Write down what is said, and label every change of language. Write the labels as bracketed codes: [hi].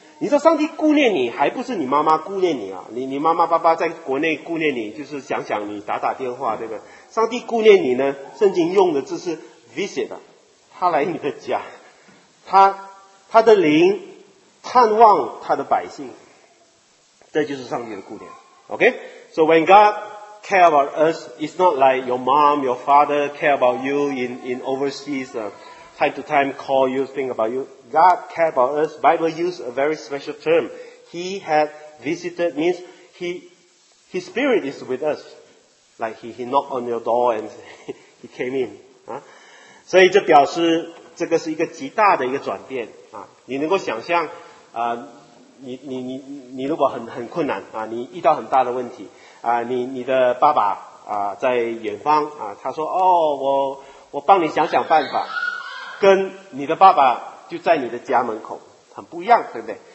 [zh] 你说上帝顾念你还不是你妈妈顾念你啊，你妈妈爸爸在国内顾念你，就是想想你打打电话，对不对？上帝顾念你呢，圣经用的字是 visit 啊，他来你的家，他的灵探望他的百姓，这就是上帝的顾念。 [en] OK, so when God care about us, it's not like your mom, your father care about you in overseas, time to time call you, think about you. God care about us. Bible use a very special term. He had visited, means his spirit is with us. Like he knocked on your door and he came in. [zh] 所以这表示这个是一个极大的一个转变啊！你能够想象啊，你如果很困难啊，你遇到很大的问题啊，你的爸爸啊在远方啊，他说哦，我帮你想想办法，跟你的爸爸就在你的家门口，很不一样，对不对？